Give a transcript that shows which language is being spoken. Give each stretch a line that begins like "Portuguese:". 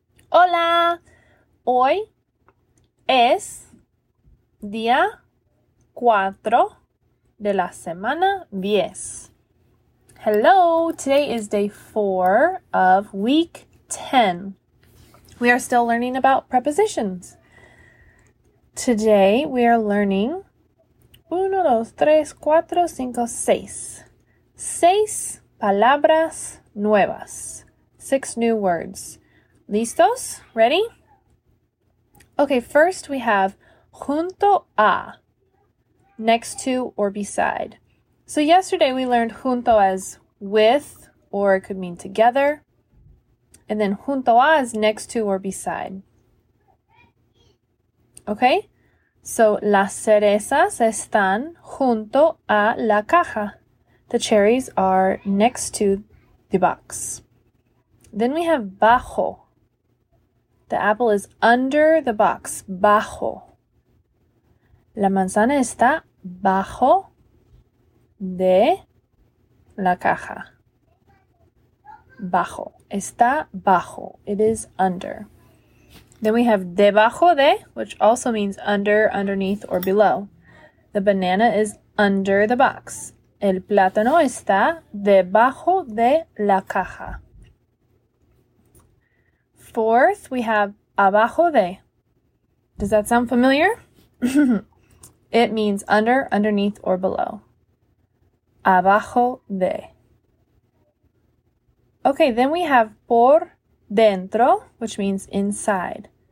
Spanish: Hola, hoy es día 4 de la semana 10.
English: Hello, today is day 4 of week 10. We are still learning about prepositions. Today we are learning 1, 2, 3, 4, 5, 6.
Spanish: 6 palabras nuevas.
English: 6 new words.
Spanish: ¿Listos?
English: Ready? Okay, first we have junto a, next to or beside. So yesterday we learned junto as with, or it could mean together. And then junto a is next to or beside.
Spanish: Okay, so las cerezas están junto a la caja.
English: The cherries are next to the box. Then we have bajo. The apple is under the box, bajo.
Spanish: La manzana está bajo de la caja. Bajo. Está bajo.
English: It is under. Then we have debajo de, which also means under, underneath, or below. The banana is under the box.
Spanish: El plátano está debajo de la caja.
English: Fourth, we have abajo de. Does that sound familiar? It means under, underneath, or below.
Spanish: Abajo de.
English: Okay, then we have por dentro, which means inside.